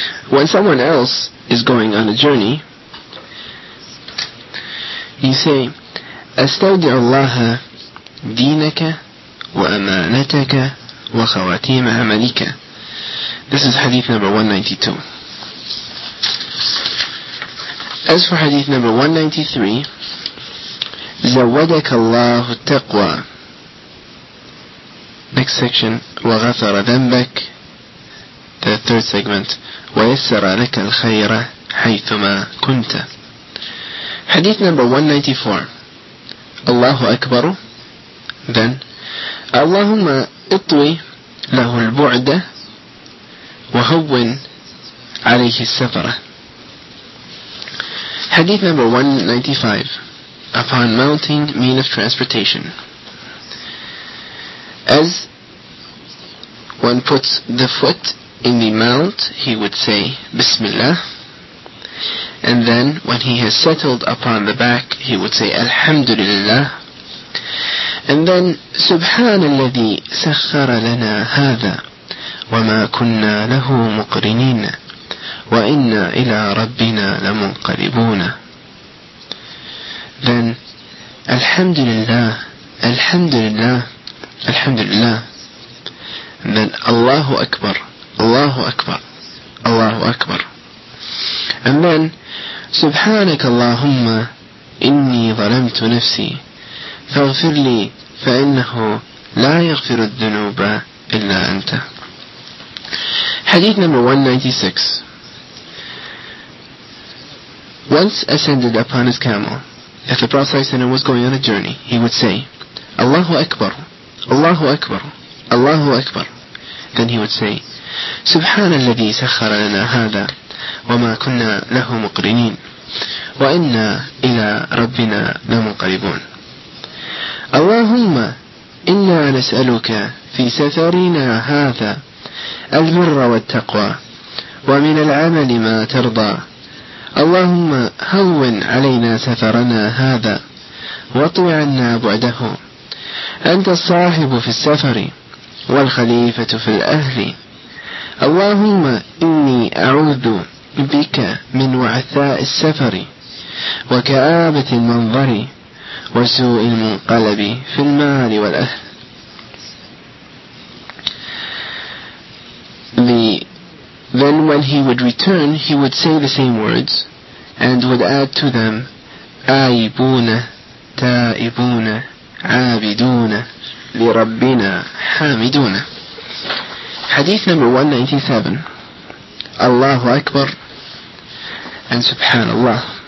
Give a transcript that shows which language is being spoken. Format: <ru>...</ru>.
<en>When someone else is going on a journey, you say,</en> <ar>أستودع الله دينك وأمانتك وخواتيم عملك.</ar> <en>This is hadith number 192. As for hadith number 193,</en> <ar>زودك الله التقوى.</ar> <en>Next section,</en> <ar>وغفر ذنبك.</ar> <en>The third segment,</en> <ar>ويسر لك الخير حيثما كنت.</ar> <en>Hadith number 194,</en> <ar>الله أكبر.</ar> <en>Then,</en> <ar>اللهم اطوي له البعد وهون عليه السفرة.</ar> <en>Hadith number 195. Upon mounting mean of transportation. As one puts the foot in the mount, he would say Bismillah. And then when he has settled upon the back, he would say Alhamdulillah. And then</en> <ar>سبحان الذي سخر لنا هذا وما كنا له مقرنين وإنا إلى ربنا لمنقلبون.</ar> <en>Then</en> <ar>الحمد لله الحمد لله الحمد لله.</ar> <en>And then</en> <ar>الله أكبر الله أكبر الله أكبر.</ar> <en>And then</en> <ar>سبحانك اللهم إني ظلمت نفسي فاغفر لي فإنه لا يغفر الذنوب إلا أنت.</ar> <en>Hadith number 196. Once ascended upon his camel, if the Prophet ﷺ was going on a journey, he would say,</en> <ar>Allahu Akbar, Allahu Akbar, Allahu Akbar.</ar> <en>Then he would say,</en> <ar>سبحان الذي سخر لنا هذا وما كنا له مقرنين وإنا إلى ربنا لمنقلبون. اللهم إنا نسألك في سفرنا هذا البر والتقوى ومن العمل ما ترضى. اللهم هون علينا سفرنا هذا واطوع عنا بعده. أنت الصاحب في السفر والخليفة في الأهل. اللهم إني أعوذ بك من وعثاء السفر وكآبة المنظر وسوء المنقلب في المال والأهل.</ar> <en>Then when he would return, he would say the same words. and would add to them</en> <ar>آيبون تائبون عابدون لربنا حامدون.</ar> <en>Hadith number 197, Allahu Akbar and Subhanallah.</en>